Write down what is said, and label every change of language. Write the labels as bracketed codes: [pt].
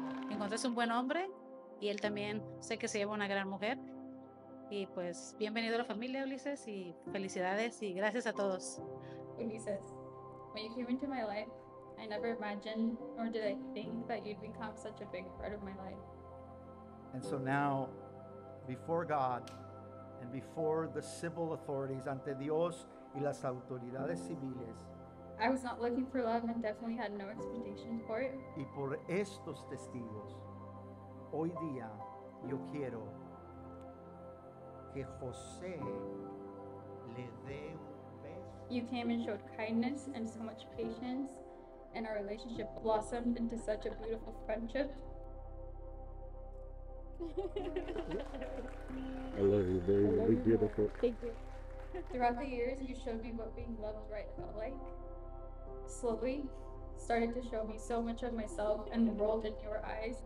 [es] Encontraste un buen hombre y él también sé que se lleva una gran mujer. Y pues bienvenido a la familia, Ulises, y felicidades y gracias a todos. [en] Ulises, when you came into my life, I never imagined nor did I think that you'd become such a big part of my life. And so now, before God and before the civil authorities, [es] ante Dios y las autoridades civiles, [en] I was not looking for love and definitely had no expectation for it. [es] Y por estos testigos, hoy día yo quiero que José le dé un beso. [en] You came and showed kindness and so much patience, and our relationship blossomed into such a beautiful friendship. I love you, very, very beautiful. Thank you. Throughout the years, you showed me what being loved right felt like. Slowly, started to show me so much of myself and the world in your eyes.